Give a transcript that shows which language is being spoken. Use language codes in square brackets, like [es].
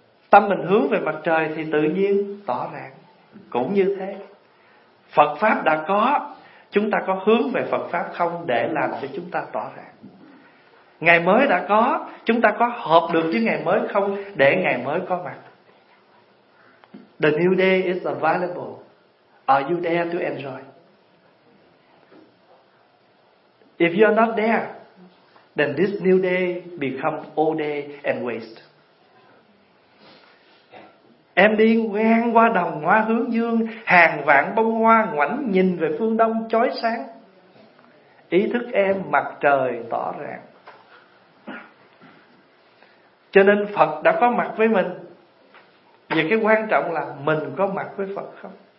[vi] Tâm mình hướng về mặt trời thì tự nhiên tỏ ràng. Cũng như thế, Phật Pháp đã có, chúng ta có hướng về Phật Pháp không để làm cho chúng ta tỏ ràng? Ngày mới đã có, chúng ta có hợp được với ngày mới không để ngày mới có mặt? [en] The new day is available. Are you there to enjoy? If you are not there, then this new day becomes old day and waste. [vi] Em đi ngang qua đồng hoa hướng dương, hàng vạn bông hoa ngoảnh nhìn về phương đông chói sáng. Ý thức em mặt trời tỏ rạng. Cho nên Phật đã có mặt với mình. Và cái quan trọng là mình có mặt với Phật không?